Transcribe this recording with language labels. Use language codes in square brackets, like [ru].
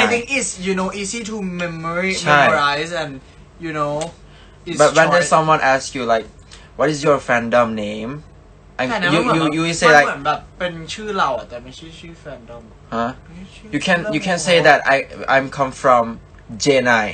[en] I think it's you know easy to memorize and you know but when there's someone ask you like what is your fandom nameYou say like [th] เหมือนแบบเป็นชื่อเราอ่ะแต่ไม่ใช่ชื่อแฟนดอม [en] ฮะ you can say that I'm come from J9